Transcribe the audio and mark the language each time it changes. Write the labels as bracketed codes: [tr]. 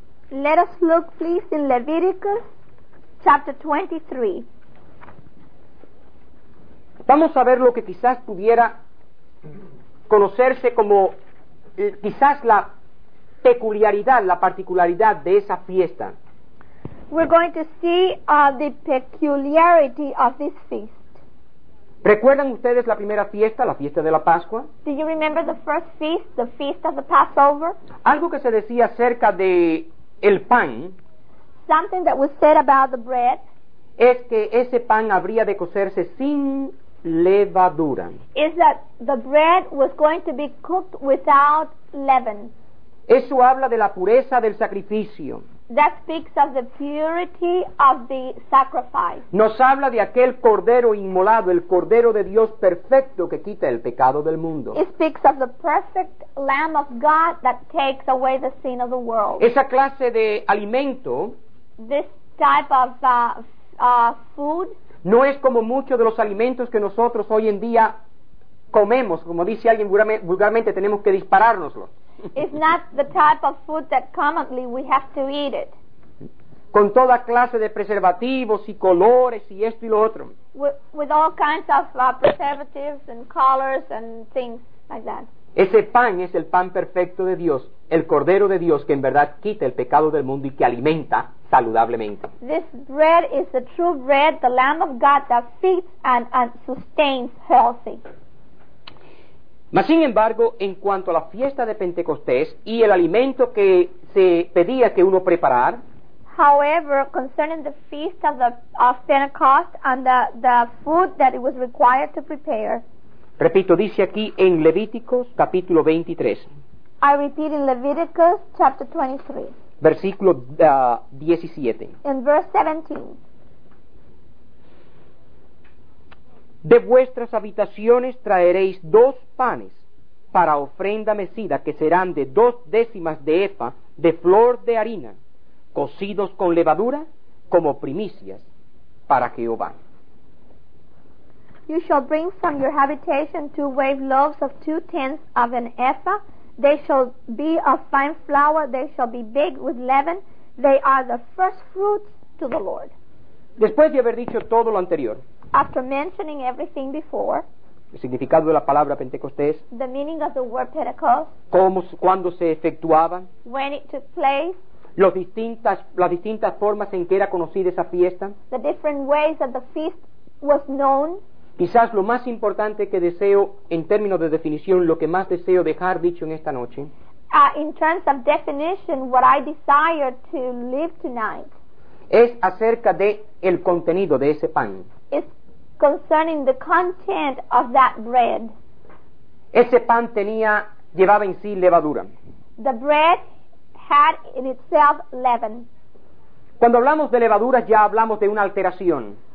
[en] Let us look, please, in Leviticus chapter 23. [es] Vamos a ver lo que quizás pudiera conocerse como quizás la peculiaridad, la particularidad de esa fiesta. [en] We're going to see the peculiarity of this feast. [es] ¿Recuerdan ustedes la primera fiesta, la fiesta de la Pascua? [en] Do you remember the first feast, the feast of the Passover? [es] Algo que se decía acerca de el pan. [en] Something that was said about the bread. [es] Es que ese pan habría de cocerse sin levadura. [en] Is that the bread was going to be cooked without leaven. [es] Eso habla de la pureza del sacrificio. [en] That speaks of the purity of the sacrifice. [es] Nos habla de aquel cordero inmolado, el cordero de Dios perfecto que quita el pecado del mundo. [en] It speaks of the perfect lamb of God that takes away the sin of the world. [es] Esa clase de alimento, [en] this type of food, [es] no es como muchos de los alimentos que nosotros hoy en día comemos, como dice alguien vulgarmente, tenemos que disparárnoslo. [en] It's not the type of food that commonly we have to eat it. [es] Con toda clase de preservativos y colores y esto y lo otro. [en] With all kinds of preservatives and colors and things like that. [es] Ese pan es el pan perfecto de Dios, el cordero de Dios que en verdad quita el pecado del mundo y que alimenta saludablemente. [en] This bread is the true bread, the Lamb of God that feeds and sustains healthy. [es] Mas sin embargo, en cuanto a la fiesta de Pentecostés y el alimento que se pedía que uno preparar. [en] However, concerning the feast of Pentecost and the food that it was required to prepare. [es] Repito, dice aquí en Levíticos capítulo 23. [en] I repeat in Leviticus chapter 23. [es] Versículo 17. [en] In verse 17. [es] De vuestras habitaciones traeréis dos panes para ofrenda mecida que serán de dos décimas de efa de flor de harina, cocidos con levadura como primicias para Jehová. [en] You shall bring from your habitation two wave loaves of two tenths of an ephah. They shall be of fine flour. They shall be baked with leaven. They are the first fruits to the Lord. [es] Después de haber dicho todo lo anterior, [en] after mentioning everything before, [es] el significado de la palabra Pentecostés, [en] the meaning of the word Pentecost, [es] cómo, cuándo se efectuaba, [en] when it took place, [es] las distintas formas en que era conocida esa fiesta, [en] the different ways that the feast was known, [es] Quizás lo más importante que deseo, en términos de definición, lo que más deseo dejar dicho en esta noche. [en] In terms of definition, what I desire to leave tonight. [es] Es acerca de el contenido de ese pan. [en] It's concerning the content of that bread. [es] Ese pan tenía, llevaba en sí levadura. [en] The bread had in itself leaven. [es] Cuando hablamos de levaduras, ya hablamos de una alteración.